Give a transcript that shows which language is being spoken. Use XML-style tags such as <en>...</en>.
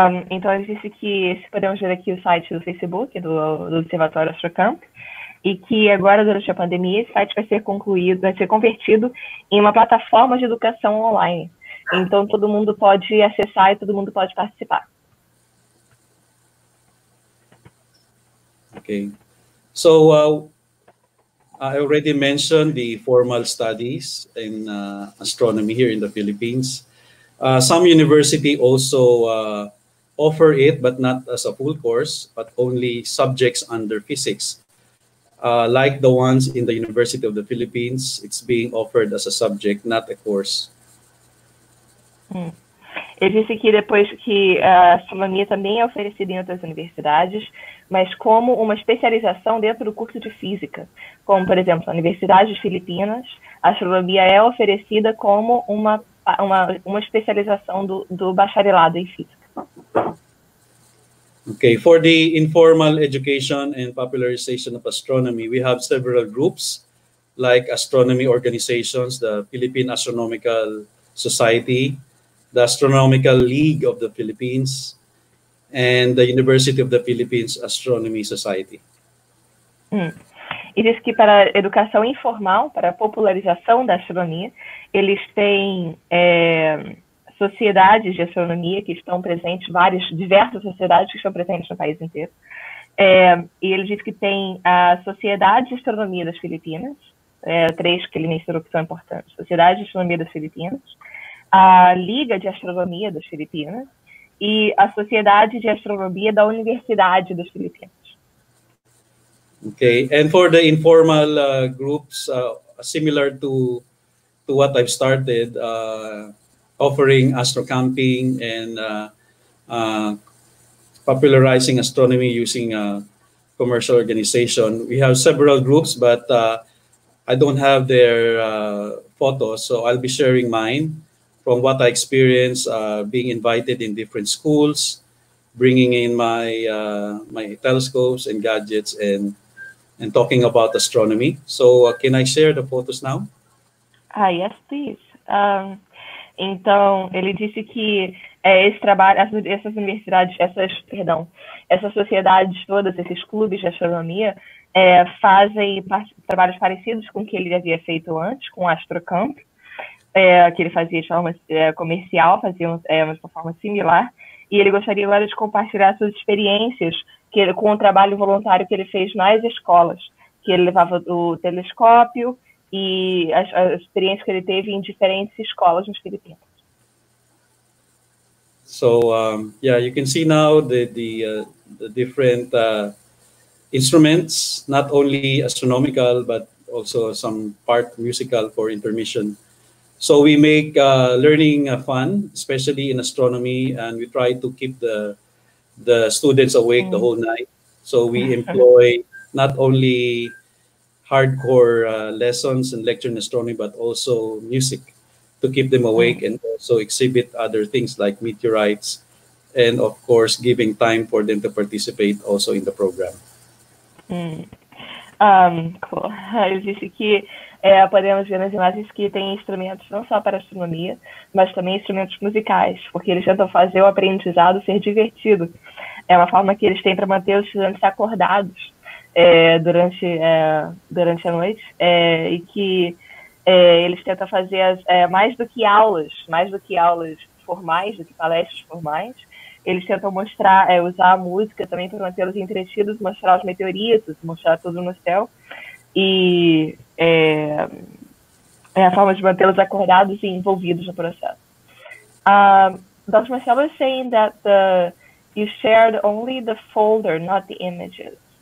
<pt>Então ele disse que podemos ver aqui o site do Facebook do Observatório Astrocamp e que agora durante a pandemia esse site vai ser convertido em uma plataforma de educação online. Então todo mundo pode acessar e todo mundo pode participar. Ok.</pt> <en>So I already mentioned the formal studies in astronomy here in the Philippines. Some university also offer it, but not as a full course, but only subjects under physics. Like the ones in the University of the Philippines, it's being offered as a subject, not a course.</en> <pt>Ele disse que depois que a astronomia também é oferecida em outras universidades, mas como uma especialização dentro do curso de física. Como, por exemplo, na Universidade de Filipinas, a astronomia é oferecida como uma especialização do bacharelado em física.</pt> <en>Ok, for the informal education and popularization of astronomy, we have several groups, like astronomy organizations, the Philippine Astronomical Society, the Astronomical League of the Philippines, and the University of the Philippines Astronomy Society.</en> <pt>E diz que para educação informal, para popularização da astronomia, eles têm sociedades de astronomia que estão presentes, diversas sociedades que estão presentes no país inteiro. E ele diz que tem a Sociedade de Astronomia das Filipinas, três que ele mencionou que são importantes, Sociedade de Astronomia das Filipinas, a Liga de Astronomia das Filipinas e a Sociedade de Astronomia da Universidade das Filipinas.</pt> <en>Ok, and for the informal groups, similar to what I've started, offering astrocamping and popularizing astronomy using a commercial organization. We have several groups, but I don't have their photos, so I'll be sharing mine from what I experienced being invited in different schools, bringing in my telescopes and gadgets and talking about astronomy. So can I share the photos now? Yes, please.</en> <pt>Então, ele disse que esse trabalho, essas universidades, essas sociedades todas, esses clubes de astronomia, fazem trabalhos parecidos com o que ele havia feito antes, com o Astrocamp, que ele fazia de forma comercial, fazia uma forma similar, e ele gostaria agora de compartilhar suas experiências com o trabalho voluntário que ele fez nas escolas, que ele levava o telescópio, e a experiência que ele teve em diferentes escolas nos Filipinas.</pt> <en>So, you can see now the different instruments, not only astronomical, but also some part musical for intermission. So we make learning fun, especially in astronomy, and we try to keep the students awake the whole night. So we employ not only hardcore lessons and lecture in astronomy, but also music to keep them awake and also exhibit other things like meteorites and, of course, giving time for them to participate also in the program. Cool.</en> <pt>Eu disse que podemos ver nas imagens que tem instrumentos não só para astronomia, mas também instrumentos musicais, porque eles tentam fazer o aprendizado ser divertido. É uma forma que eles têm para manter os estudantes acordados durante a noite, e que eles tentam fazer mais do que aulas formais, do que palestras formais, eles tentam mostrar, usar a música também para mantê-los entretidos, mostrar os meteoritos, mostrar tudo no céu. E é a forma de mantê-los acordados e envolvidos no processo.</pt> <en>Dr. Marcelo is saying that you shared only the folder, not the images.</en>